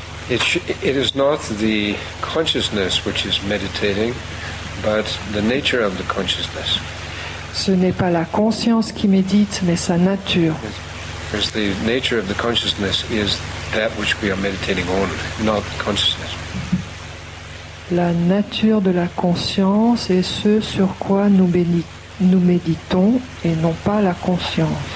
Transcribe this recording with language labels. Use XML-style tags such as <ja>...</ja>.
<en>It is not the consciousness which is meditating, but the nature of the consciousness.</en> <fr>Ce n'est pas la conscience qui médite, mais sa nature.</fr> <en>Because the nature of the consciousness is that which we are meditating on, not the consciousness.</en> <fr>La nature de la conscience est ce sur quoi nous méditons et non pas la conscience.</fr>